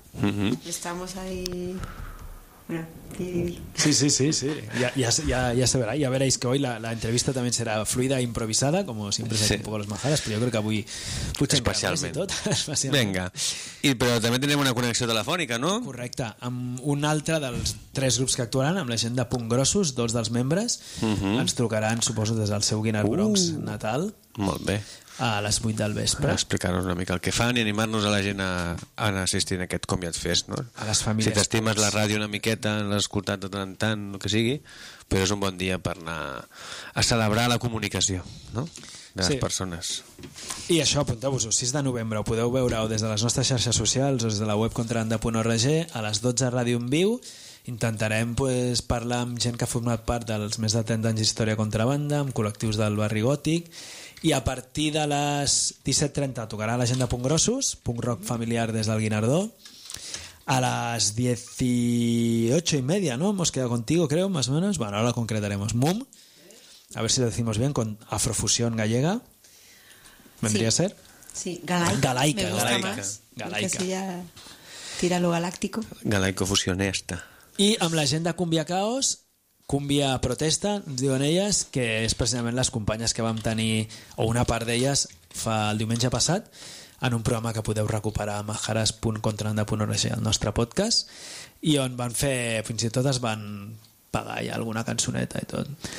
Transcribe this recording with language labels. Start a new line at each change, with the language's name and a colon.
Spanish: Uh-huh. Estamos ahí. Bueno, sí. Ya se verá. Ya veréis que hoy la entrevista también será fluida e improvisada, como siempre se hace un poco los majaras, pero yo creo que
Catalan: avui puja
Spanish: especialmente. Especialmente. Venga. Y pero también tenemos una conexión telefónica, ¿no?
Catalan: Correcte. Amb un altre dels tres grups que actuaran, amb la gent de Punt Grossos, dos dels membres, ens trucaran, suposo, des del seu Guinard Bronx natal. Molt bé. A les 8 del vespre. Explicar-nos una mica el que fan i animar-nos a la gent a assistir a aquest Comiat Fest, no? A les famílies. Si t'estimes la ràdio una miqueta, l'has escoltat de tant en tant, el que sigui, però és un bon dia per anar a celebrar la comunicació, no? De les persones. I això, apunteu-vos-ho, 6 de novembre, ho podeu veure o des de les nostres xarxes socials o des de la web contrabanda.org, a les 12 Ràdio en Viu, intentarem pues, parlar amb gent que ha format part dels més de 30 anys d'història contrabanda, amb col·lectius del barri gòtic, i a partir de les 17:30 tocarà la gent de Punt Grossos, punk rock familiar des del Guinardó.
Spanish: A les 18:30, ¿no? Hemos quedado contigo, creo, más o menos. Bueno, ahora lo concretaremos. MUM, a ver si lo decimos bien, con Afrofusión Gallega. ¿Vendría sí. a ser? Sí, Galaica. Galaica. Galaica. Galaica. Que sería Tíralo Galáctico. Galaico Fusionista.
Catalan: Y amb la gent de Cumbia Caos, Cumbia Protesta, diuen elles, que és precisament les companyes que vam tenir, o una part d'elles, fa el diumenge passat, en un programa que podeu recuperar a majares.contranda.org, el nostre podcast, i on van fer, fins i tot es van pagar ja alguna cançoneta i tot.